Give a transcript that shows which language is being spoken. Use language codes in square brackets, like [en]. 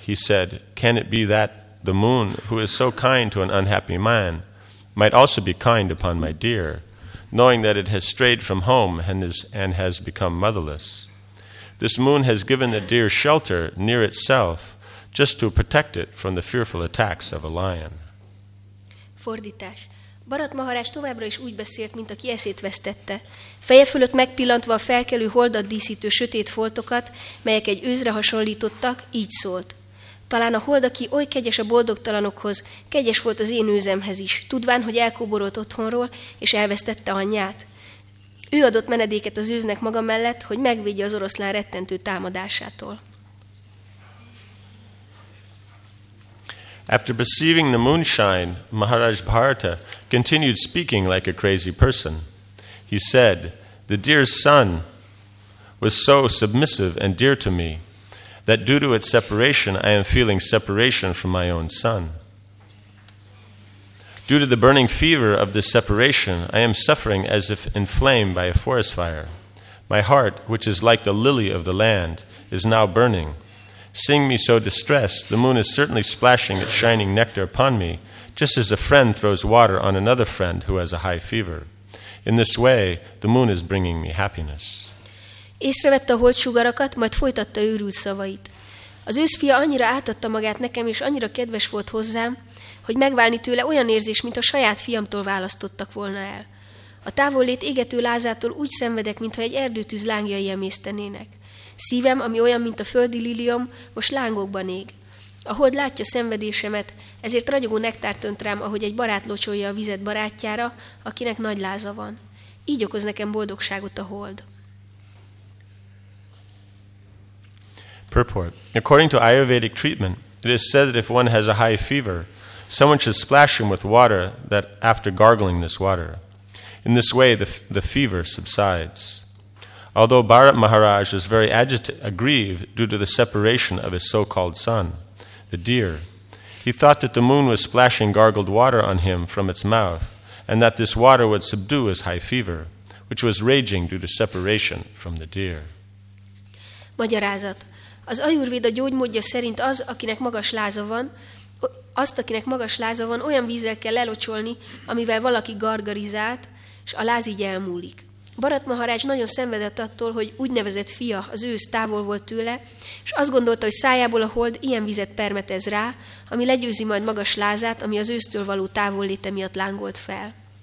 [en] He said, "Can it be that the moon, who is so kind to an unhappy man, might also be kind upon my deer, knowing that it has strayed from home and has become motherless? This moon has given the deer shelter near itself just to protect it from the fearful attacks of a lion." [hu] Fordítás. Bharat Maharaj továbbra is úgy beszélt, mint aki eszét vesztette. Feje fölött megpillantva a felkelő holdat díszítő sötét foltokat, melyek egy őzre hasonlítottak, így szólt. Talán a hold, aki oly kegyes a boldogtalanokhoz, kegyes volt az én őzemhez is, tudván, hogy elkóborolt otthonról, és elvesztette anyját. Ő adott menedéket az őznek maga mellett, hogy megvédje az oroszlán rettentő támadásától. [en] After perceiving the moonshine, Maharaj Bharata continued speaking like a crazy person. He said, "The deer's son was so submissive and dear to me, that due to its separation, I am feeling separation from my own son. Due to the burning fever of this separation, I am suffering as if inflamed by a forest fire. My heart, which is like the lily of the land, is now burning. Seeing me so distressed, the moon is certainly splashing its shining nectar upon me, just as a friend throws water on another friend who has a high fever. In this way, the moon is bringing me happiness. [hu] Észrevette a holdsugarakat, majd folytatta őrült szavait. Az őszfia annyira átadta magát nekem, és annyira kedves volt hozzám, hogy megválni tőle olyan érzés, mint a saját fiamtól választottak volna el. A távollét égető lázától úgy szenvedek, mintha egy erdőtűz lángjai emésztenének. Szívem, ami olyan, mint a földi lilium, most lángokban ég. A hold látja szenvedésemet, ezért ragyogó nektárt önt rám, ahogy egy barát locsolja a vizet barátjára, akinek nagy láza van. Így okoz nekem boldogságot a hold. [en] Purport. According to Ayurvedic treatment, it is said that if one has a high fever, someone should splash him with water that after gargling this water. In this way, the fever subsides. Although Bharat Maharaj is very aggrieved due to the separation of his so-called son, the deer, he thought that the moon was splashing gargled water on him from its mouth, and that this water would subdue his high fever, which was raging due to separation from the deer. [hu] Magyarázat. Az Ayurvéda gyógymódja szerint az, akinek magas láza van, azt, akinek magas láza van, olyan vízzel kell lelocsolni, amivel valaki gargarizált, és a láz így elmúlik. Bharat Maharaj nagyon szenvedett attól, hogy úgynevezett fia, az ősz távol volt tőle, és azt gondolta, hogy szájából a hold ilyen vizet permetez rá, ami legyőzi majd magas lázát, ami az ősztől való távolléte miatt lángolt fel.